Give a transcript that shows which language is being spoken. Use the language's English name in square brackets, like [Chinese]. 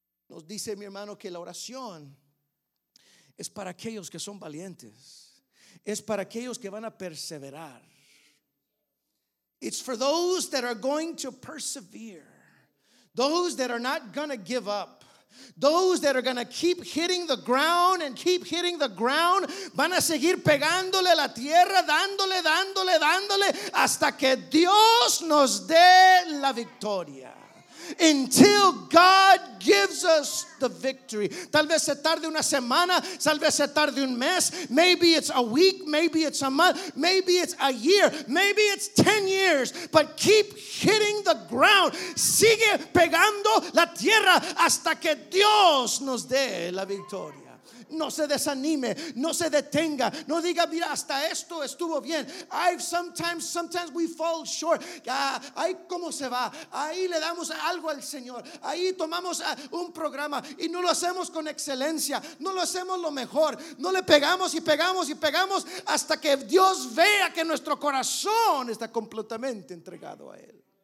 [Spanish] Nos dice mi hermano que la oración es para aquellos que son valientes. Es para aquellos que van a perseverar. [English] It's for those that are going to persevere, those that are not going to give up, those that are going to keep hitting the ground and keep hitting the ground. [Spanish] Van a seguir pegándole la tierra, dándole, dándole, dándole, hasta que Dios nos dé la victoria. [English] Until God gives us the victory. [Spanish] Tal vez se tarde una semana, tal vez se tarde un mes. [English] Maybe it's a week, maybe it's a month, maybe it's a year, maybe it's 10 years. But keep hitting the ground. [Spanish] Sigue pegando la tierra hasta que Dios nos dé la victoria. No se desanime, no se detenga, no diga mira hasta esto estuvo bien. [English] Sometimes we fall short. [Spanish] Ahí cómo se va, ahí le damos algo al Señor, ahí tomamos un programa y no lo hacemos con excelencia, no lo hacemos lo mejor, no le pegamos y pegamos y pegamos hasta que Dios vea que nuestro corazón está completamente entregado a Él.